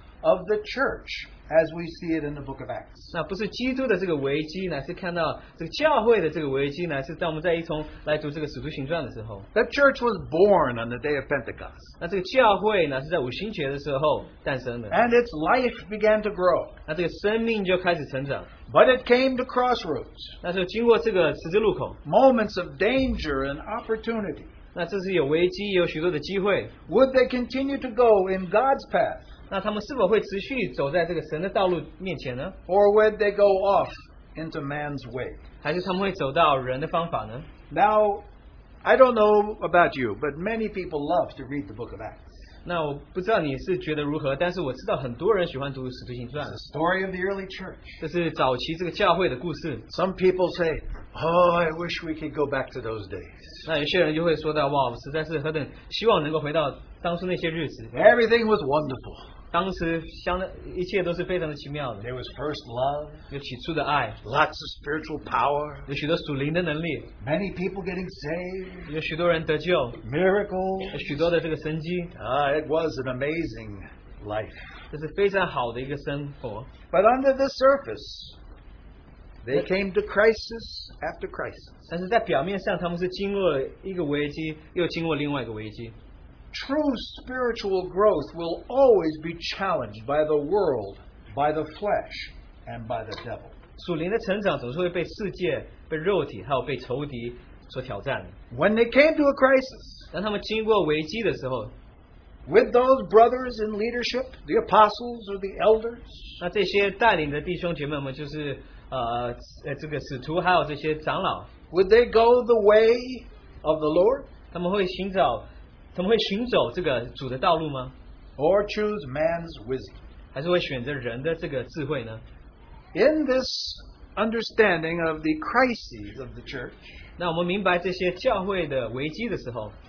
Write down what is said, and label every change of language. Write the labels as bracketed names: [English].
[English] of the church as we see it in the book of Acts. [Chinese] 那不是基督的这个危机呢，是看到这个教会的这个危机呢，是当我们在一同来读这个使徒行传的时候。 [English] That church was born on the day of Pentecost. [Chinese] 那这个教会呢，是在五旬节的时候诞生的。 [English] And its life began to grow. [Chinese] 那这个生命就开始成长。 [English] But it came to crossroads. [Chinese] 那是经过这个十字路口。 [English] Moments of danger and opportunity. [Chinese] 那这是有危机，有许多的机会。 [English] Would they continue to go in God's path? [Chinese] 那他们是否会持续走在这个神的道路面前呢? [English] Or would they go off into man's way? [Chinese] 还是他们会走到人的方法呢? [English] Now, I don't know about you, but many people love to read the book of Acts. [Chinese] 那我不知道你是觉得如何, 但是我知道很多人喜欢读使徒行传。 [English] The story of the early church. [Chinese] 这是早期这个教会的故事。 [English] Some people say, oh, I wish we could go back to those days. [Chinese] 那有些人就会说到, 哇, 实在是何等, 希望能够回到当初那些日子。 [English] Everything was wonderful. [Chinese] 当时相当一切都是非常的奇妙的。 [English] There was first love. [Chinese] 有起初的爱。 [English] Lots of spiritual power. [Chinese] 有许多属灵的能力。 [English] Many people getting saved. [Chinese] 有许多人得救。 [English] Miracles. [Chinese] 有许多的这个神迹。 [English] It was an amazing life. [Chinese] 这是非常好的一个生活。 [English] But under the surface, they came to crisis after crisis. [Chinese] 但是在表面上，他们是经过一个危机，又经过另外一个危机。 [English] True spiritual growth will always be challenged by the world, by the flesh, and by the devil. [Chinese] 属灵的成长总是会被世界、被肉体还有被仇敌所挑战的。 [English] When they came to a crisis, [Chinese] 当他们经过危机的时候, [English] with those brothers in leadership, the apostles or the elders, [Chinese] 那这些带领的弟兄姐妹们就是这个使徒还有这些长老, [English] would they go the way of the Lord? [Chinese] 他们会寻找 他们会寻走这个主的道路吗? [English] Or choose man's wisdom? [Chinese] 还是会选择人的这个智慧呢? [English] In this understanding of the crises of the church, [Chinese] 那我们明白这些教会的危机的时候,